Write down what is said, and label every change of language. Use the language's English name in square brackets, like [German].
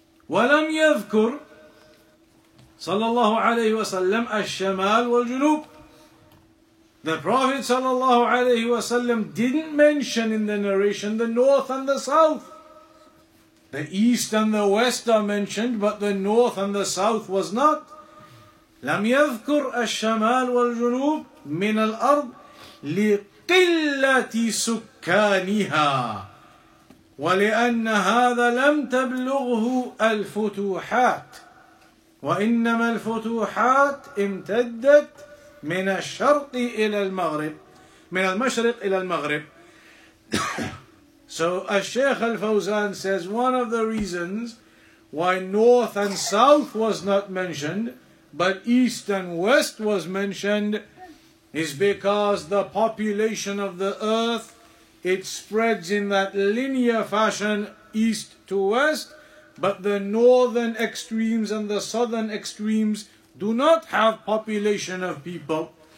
[Arabic] وَلَمْ يَذْكُرْ صَلَى اللَّهُ عَلَيْهِ وَسَلَّمْ الشَّمَالُ وَالْجُنُوبُ. [English] The Prophet sallallahu alayhi wasallam didn't mention in the narration the north and the south. The east and the west are mentioned, but the north and the south was not. [Arabic] لم يذكر الشمال والجنوب من الأرض لقلة سكانها ولأن هذا لم تبلغه الفتوحات وإنما الفتوحات امتدت من الشرق إلى المغرب من المشرق إلى المغرب. [English] So Al-Shaykh Al-Fawzan says one of the reasons why north and south was not mentioned but east and west was mentioned is because the population of the earth, it spreads in that linear fashion east to west, but the northern extremes and the southern extremes do not have population of people.